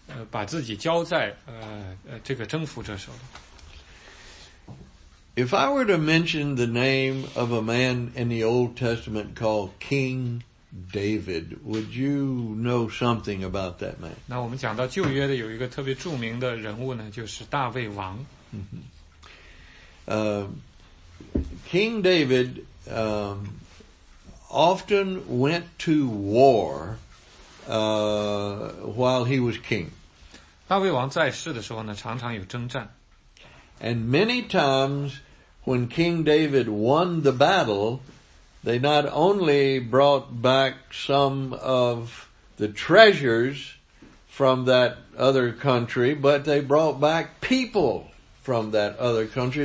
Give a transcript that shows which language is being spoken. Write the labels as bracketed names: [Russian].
[Chinese] 那无论是历史还是今天呢，如果两国有开战，一国呢打败了另一国呢，那被战败的那一国呢，他们的国民就会把自己交在这个征服者手里。 [English] If I were to mention the name of a man in the Old Testament called King David, would you know something about that man? [Chinese] 那我们讲到旧约的有一个特别著名的人物呢，就是大卫王。 [English] King David often went to war while he was king. [Chinese] 大卫王在世的时候呢，常常有征战。 [English] And many times when King David won the battle, they not only brought back some of the treasures from that other country, but they brought back people from that other country.